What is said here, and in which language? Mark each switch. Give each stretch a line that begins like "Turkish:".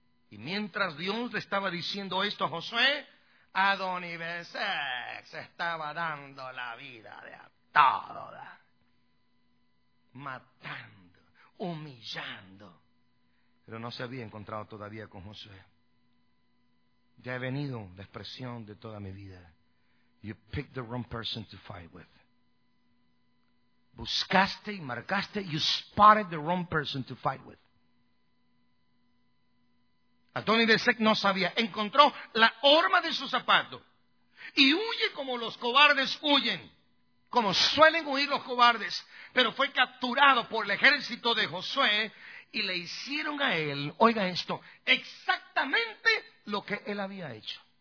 Spanish: Y mientras Dios le estaba diciendo esto a Josué, Adonibesek se estaba dando la vida de a toda. Matando, humillando. Pero no se había encontrado todavía con Josué. Ya he venido la expresión de toda mi vida.
English: You picked the wrong person to fight with.
Spanish: Buscaste y marcaste.
English: You spotted the wrong person to fight with.
Spanish: Adonibesek no sabía. Encontró la horma de su zapato. Y huye como los cobardes huyen. Como suelen huir los cobardes. Pero fue capturado por el ejército de Josué. Y le hicieron a él, oiga esto, exactamente lo que él había hecho.